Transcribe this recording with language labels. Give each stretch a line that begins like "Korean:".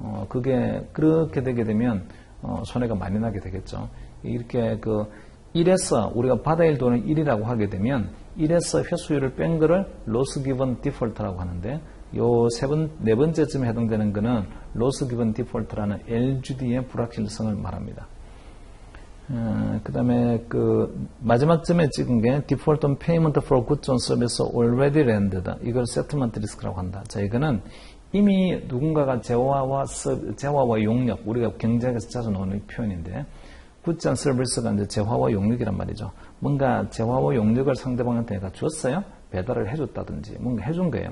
Korean: 그게 그렇게 되게 되면 손해가 많이 나게 되겠죠. 이렇게 그 1에서 우리가 받아야 할 돈을 1이라고 하게 되면 1에서 회수율을 뺀 거를 loss given default라고 하는데 요 네 번째쯤에 해당되는 거는 loss given default라는 LGD의 불확실성을 말합니다. 그다음에 그 마지막쯤에 찍은 게
English: default on payment for goods and services already rendered다.
Korean: 이걸 settlement risk라고 한다. 자, 이거는 이미 누군가가 재화와 용역, 우리가 경제학에서 자주 나오는 표현인데 goods and services가 이제 재화와 용역이란 말이죠. 뭔가 재화와 용역을 상대방한테 내가 줬어요. 배달을 해줬다든지 뭔가 해준 거예요.